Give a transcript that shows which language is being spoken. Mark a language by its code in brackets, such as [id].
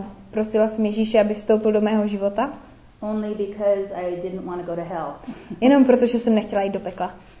[cs] Prosila jsem Ježíše, aby vstoupil do mého života. [en] Only because I didn't want to go to hell. [cs] Jenom protože jsem nechtěla jít do pekla.